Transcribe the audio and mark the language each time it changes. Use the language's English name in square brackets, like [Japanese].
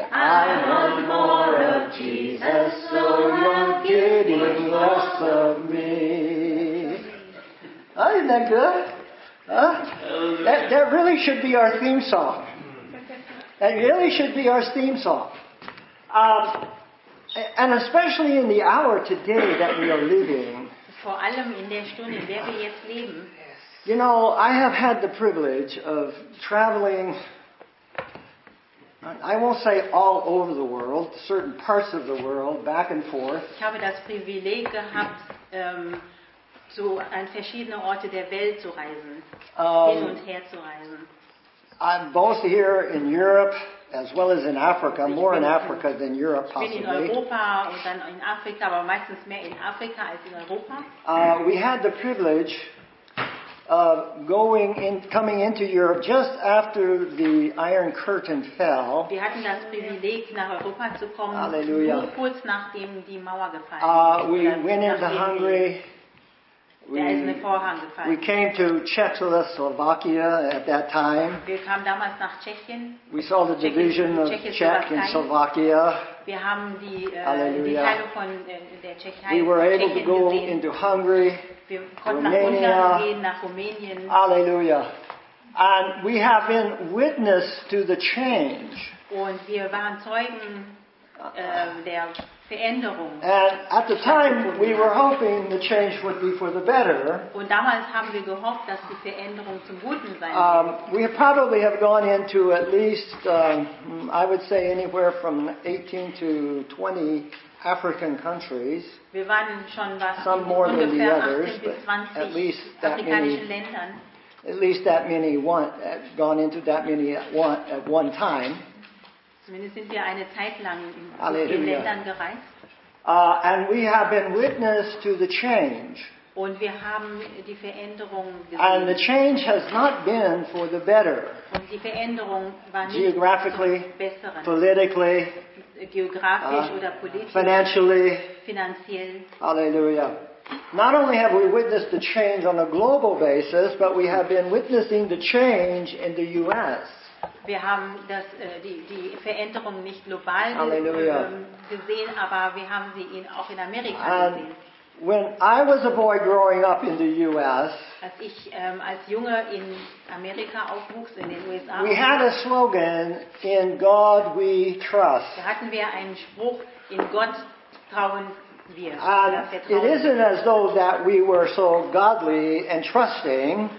[English] I want more of Jesus, so you're getting less of me. Oh, isn't that good? Huh? That really should be our theme song. That really should be our theme song. And especially in the hour today that we are living. [German] Vor allem in der Stunde, in der wir jetzt leben. [English] You know, I have had the privilege of traveling, I won't say all over the world, certain parts of the world, back and forth. [German] Ich habe das Privileg gehabt, so an verschiedene Orte der Welt zu reisen, hin und her zu reisen. [English] I'm both here in Europe as well as in Africa, more in Africa than Europe possibly. [German] Ich bin in Europa und dann in Afrika, aber meistens mehr in Afrika als in Europa. [English] We had the privilege of coming into Europe just after the Iron Curtain fell. [German] Wir hatten das Privileg, nach Europa zu kommen. Halleluja. Nur kurz nachdem die Mauer gefallen ist. [English] We went into Hungary. We came to Czechoslovakia at that time. [German] Wir kamen damals nach Tschechien. [English] We saw the division of Czech and Slovakia. [German] Wir haben die Teilung von der Tschechien. [English] We were able to go into Hungary. [German] Wir konnten nach Ungarn gehen, nach Rumänien. [English] Hallelujah. And we have been witness to the change. [German] Und wir waren Zeugen der Veränderung. [English] And at the time, we were hoping the change would be for the better. [German] Und damals haben wir gehofft, dass die Veränderung zum Guten sein wird. [English] We probably have gone into at least, I would say, anywhere from 18 to 20 African countries. [German] Wir waren schon was [English] some in more than the others, but at least that many. At least that many gone into that many at one time. [German] Zumindest sind wir eine Zeit lang in Ländern gereist. [English] And we have been witness to the change. [German] Und wir haben die Veränderung gesehen. [English] And the change has not been for the better. [German] Und die Veränderung war nicht [English] geographically, [German] zum Besseren. [English] Politically, [German] geografisch oder politisch. [English] Financially. [German] Finanziell. Halleluja. [English] Not only have we witnessed the change on a global basis, but we have been witnessing the change in the U.S. [German] Wir haben die Veränderung nicht global gesehen, aber wir haben sie auch in Amerika [English] and [German] gesehen. [English] When I was a boy growing up in the US, [German] als ich als Junge in Amerika aufwuchs, in den USA, [English] we had a slogan, in God we trust. [German] Da hatten wir einen Spruch, in Gott trauen wir. [English] It isn't as though that we were so godly and trusting.